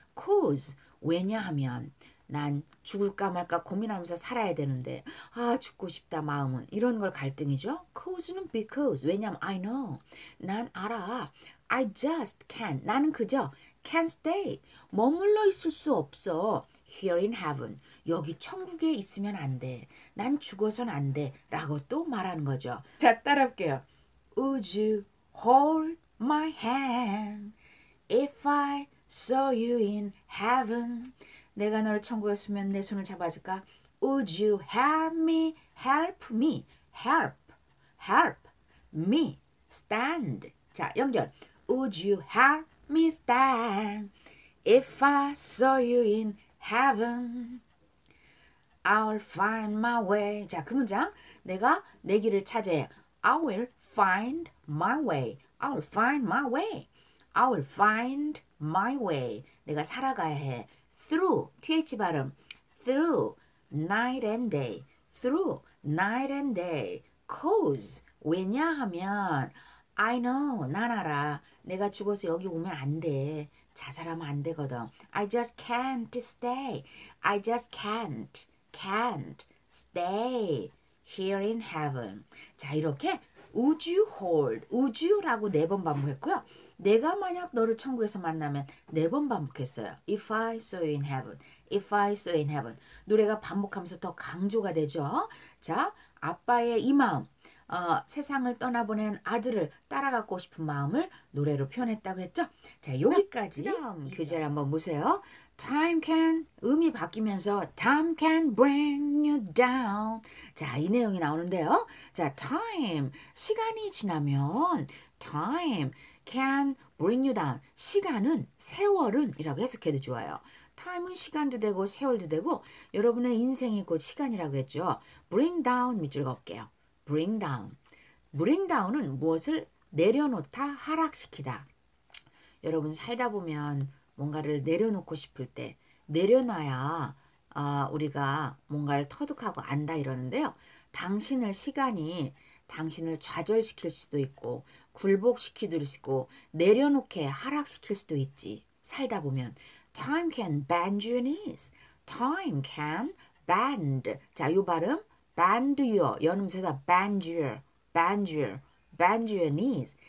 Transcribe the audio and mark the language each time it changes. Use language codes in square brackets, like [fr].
[en] Cause [ko] 왜냐하면 난 죽을까 말까 고민하면서 살아야 되는데 아 죽고 싶다 마음은 이런 걸 갈등이죠. [en] Cause는 because [ko] 왜냐면 [en] I know [ko] 난 알아. [en] I just can't [ko] 나는 그저 [en] can't stay [ko] 머물러 있을 수 없어. [en] Here in heaven, [ko] 여기 천국에 있으면 안 돼. 난 죽어선 안 돼. 라고 또 말하는 거죠. 자, 따라 할게요. [en] Would you hold my hand if I saw you in heaven? [ko] 내가 너를 천국에서면 내 손을 잡아줄까? [en] Would you help me? Help me. Help. Help me. Stand. [ko] 자, 연결. [en] Would you help me stand if I saw you in Heaven, I'll find my way. [ko] 자, 그 문장. 내가 내 길을 찾아야 해. [en] I will find my way. I'll find my way. I will find my way. [ko] 내가 살아가야 해. [en] through, th 발음, through, night and day, through, night and day, cause, [ko] 왜냐 하면, [en] I know, [ko] 난 알아, 내가 죽어서 여기 오면 안 돼, 자살하면 안 되거든, [en] I just can't stay, I just can't stay here in heaven. [ko] 자, 이렇게, [en] would you hold, would you [ko] 라고 네 번 반복했고요. 내가 만약 너를 천국에서 만나면 네 번 반복했어요. [en] If I saw you in heaven, if I saw you in heaven. [ko] 노래가 반복하면서 더 강조가 되죠. 자, 아빠의 이 마음, 세상을 떠나보낸 아들을 따라가고 싶은 마음을 노래로 표현했다고 했죠. 자, 여기까지 다음 교재를 한번 보세요. [en] Time can, [ko] 음이 바뀌면서 [en] Time can bring you down. [ko] 자, 이 내용이 나오는데요. [en] 자, time, [ko] 시간이 지나면 [en] time can bring you down. [ko] 시간은, 세월은 이라고 해석해도 좋아요. time은 시간도 되고 세월도 되고 여러분의 인생이 곧 시간이라고 했죠. [en] bring down [ko] 밑줄 걸게요. [en] bring down. [ko] bring down은 무엇을 내려놓다, 하락시키다. 여러분 살다 보면 뭔가를 내려놓고 싶을 때 내려놔야 우리가 뭔가를 터득하고 안다 이러는데요. 당신을 시간이 당신을 좌절시킬 수도 있고 굴복시킬 수 있고 내려놓게 하락시킬 수도 있지. 살다 보면 [en] time can bend your knees. time can bend. [ko] 자, 요 발음 [en] bend your [ko] 연음새다 [en] bend your bend your bend your knees.